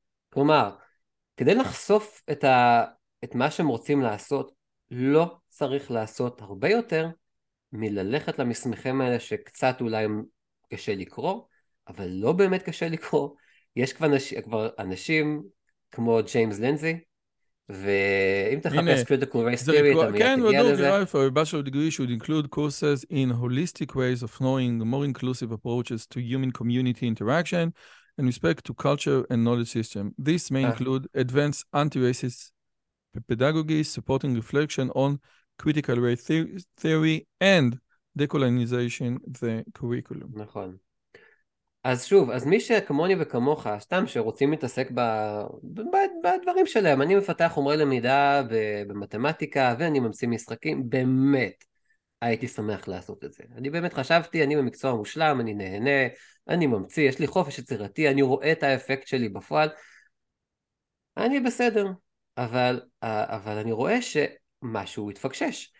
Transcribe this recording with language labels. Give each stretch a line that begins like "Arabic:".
Hebrew: כלומר, כדי לחשוף את מה שהם רוצים לעשות, לא צריך לעשות הרבה יותר מללכת למסמכים האלה שקצת אולי קשה לקרוא, אבל לא באמת קשה לקרוא. יש כבר, כבר אנשים כמו ג'יימס לנזי, ואם תחפש critical race theory, אתה מייתגיע לזה. כן, ודור,
English: your bachelor degree should include courses in holistic ways of knowing more inclusive approaches to human-community interaction in respect to culture and knowledge system. This may include advanced anti-racist pedagogy, supporting reflection on critical race theory and decolonization the curriculum.
Hebrew: נכון. אז שוב, אז מי שכמוני וכמוך, סתם שרוצים להתעסק בדברים שלהם, אני מפתח חומרי למידה במתמטיקה, ואני ממציא משחקים, באמת הייתי שמח לעשות את זה. אני באמת חשבתי, אני במקצוע מושלם, אני נהנה, אני ממציא, יש לי חופש יצירתי, אני רואה את האפקט שלי בפועל, אני בסדר, אבל אני רואה שמשהו התפקשש.